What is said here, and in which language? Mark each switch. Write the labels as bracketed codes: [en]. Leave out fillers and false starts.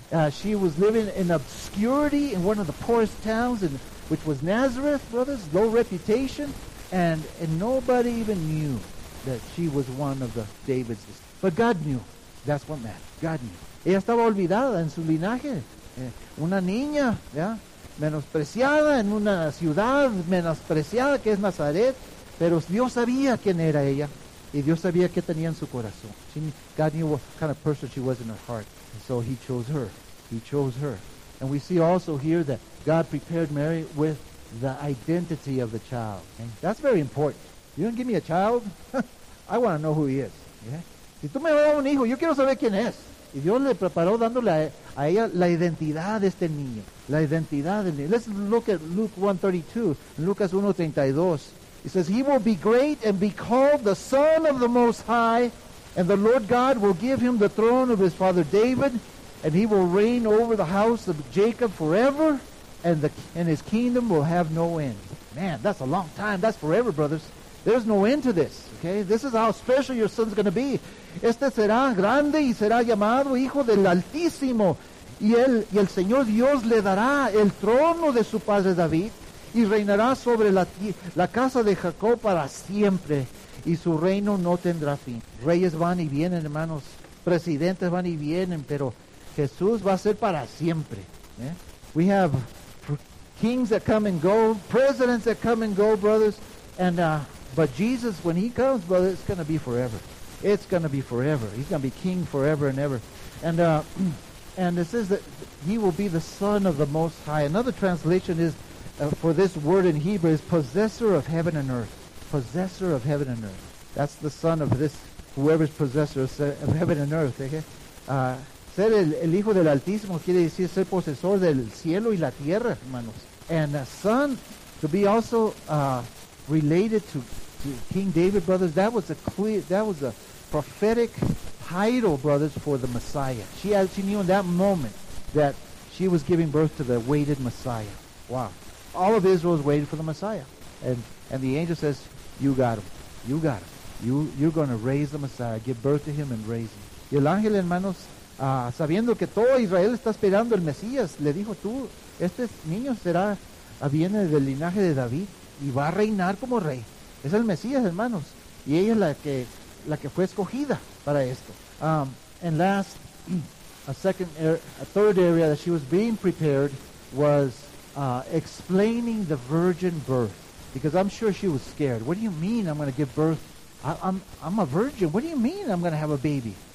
[en] She was living in obscurity in one of the poorest towns, which was Nazareth, brothers, low reputation. And nobody even knew that she was one of the David's. But God knew. That's what mattered. God knew. [es] Ella estaba olvidada en su linaje, una niña, ¿ya? Menospreciada en una ciudad menospreciada que es Nazaret, pero Dios sabía quién era ella y Dios sabía qué tenía en su corazón. [en] God knew what kind of person she was in her heart, and so he chose her. He chose her. And we see also here that God prepared Mary with the identity of the child. And that's very important. You don't give me a child, I want to know who he is. Yeah? [es] Si tú me vas a dar un hijo, yo quiero saber quién es. Y Dios le preparó dándole a ella la identidad de este niño. La identidad del niño. [en] Let's look at Luke 1:32. [es] Lucas 1:32. [en] It says, "He will be great and be called the Son of the Most High, and the Lord God will give him the throne of his father David, and he will reign over the house of Jacob forever, and his kingdom will have no end." Man, that's a long time. That's forever, brothers. There's no end to this, okay? This is how special your son's going to be. [es] Este será grande y será llamado Hijo del Altísimo. y el Señor Dios le dará el trono de su padre David y reinará sobre la casa de Jacob para siempre, y su reino no tendrá fin. Reyes van y vienen, hermanos, presidentes van y vienen, pero Jesús va a ser para siempre. ¿Eh? [en] We have kings that come and go, presidents that come and go, brothers, and but Jesus, when he comes, brother, it's going to be forever. It's going to be forever. He's going to be king forever and ever. And it says that he will be the son of the Most High. Another translation is, for this word in Hebrew, is possessor of heaven and earth. Possessor of heaven and earth. That's the son of this, whoever's possessor of heaven and earth. Okay? [es] Ser el hijo del Altísimo quiere decir ser posesor del cielo y la tierra, hermanos. [en] And a son, to be also related to King David, brothers, that was a prophetic title, brothers, for the Messiah. She knew in that moment that she was giving birth to the awaited Messiah. Wow. All of Israel is waiting for the Messiah. And the angel says, you got him. You got him. You're going to raise the Messiah, give birth to him and raise him. [es] Y el ángel, hermanos, sabiendo que todo Israel está esperando el Mesías, le dijo, tú, este niño viene del linaje de David y va a reinar como rey. Es el Mesías, hermanos. Y ella es la que fue escogida para esto. [en] And last, a third area that she was being prepared was explaining the virgin birth. Because I'm sure she was scared. What do you mean I'm going to give birth? I'm a virgin. What do you mean I'm going to have a baby?